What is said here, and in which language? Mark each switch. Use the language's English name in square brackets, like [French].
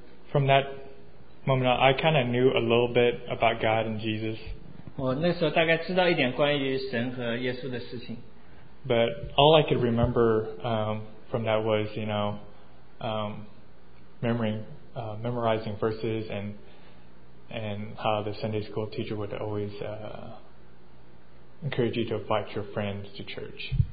[English] From that moment on, I kind of knew a little bit about God and Jesus. [Chinese] 我那时候大概知道一点关于神和耶稣的事情。 [English] But all I could remember from that was, you know, memorizing verses and how the Sunday school teacher would always encourage you to invite your friends to church.